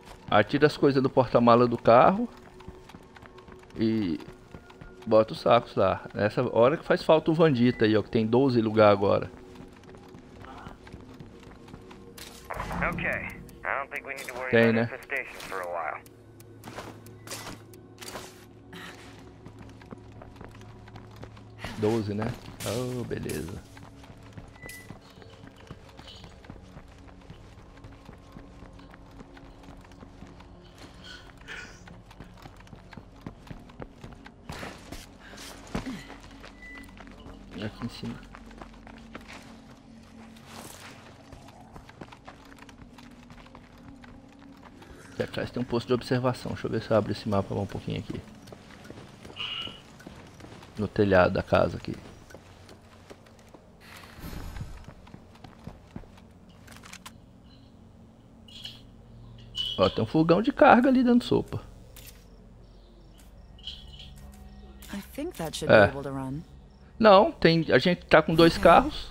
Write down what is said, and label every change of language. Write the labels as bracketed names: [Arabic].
[Portuguese] Atira as coisas do porta-mala do carro e bota os sacos lá. Nessa hora que faz falta o Vandita aí, ó, que tem 12 lugar agora. [English] Okay. I don't think we need to worry about infestation for a while. [Portuguese] Doze, né? Oh, beleza. Aqui em cima. Aqui atrás tem um posto de observação. Deixa eu ver se eu abro esse mapa um pouquinho aqui. No telhado da casa aqui. Ó, tem um fogão de carga ali dando sopa. [English] I think that should be able to run. [Portuguese] Não, tem, a gente tá com dois carros.